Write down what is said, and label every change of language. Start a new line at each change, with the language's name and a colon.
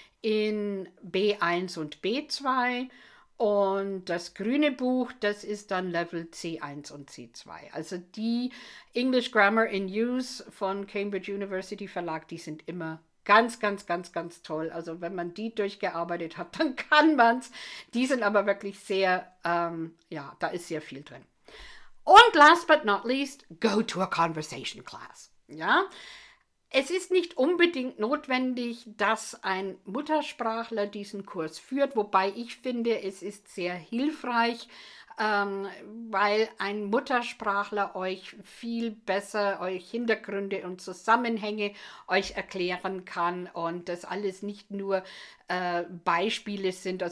German: in B1 und B2. Und das grüne Buch, das ist dann Level C1 und C2. Also die English Grammar in Use von Cambridge University Verlag, die sind immer ganz, ganz, ganz, ganz toll. Also wenn man die durchgearbeitet hat, dann kann man's. Die sind aber wirklich sehr, ja, da ist sehr viel drin.
English: Und last but not least, go to a conversation class.
German: Ja, es ist nicht unbedingt notwendig, dass ein Muttersprachler diesen Kurs führt, wobei ich finde, es ist sehr hilfreich, weil ein Muttersprachler euch viel besser euch Hintergründe und Zusammenhänge euch erklären kann und das alles nicht nur Beispiele sind.